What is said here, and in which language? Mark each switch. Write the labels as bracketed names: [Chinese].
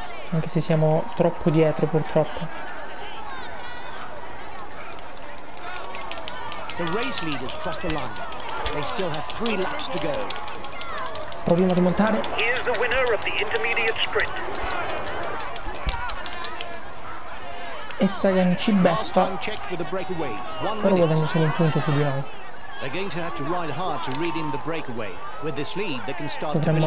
[Italian] Anche se siamo troppo dietro, purtroppo. [English] The race leaders cross the line. They still have three laps to go. [Italian] Proviamo a rimontare. [English] Here's the winner of the intermediate sprint. [Italian] E Sagan ci beffa. Però guadagno solo un punto su di noi. [English] They're going to have to ride hard to read in the breakaway. With this lead, they can start to believe.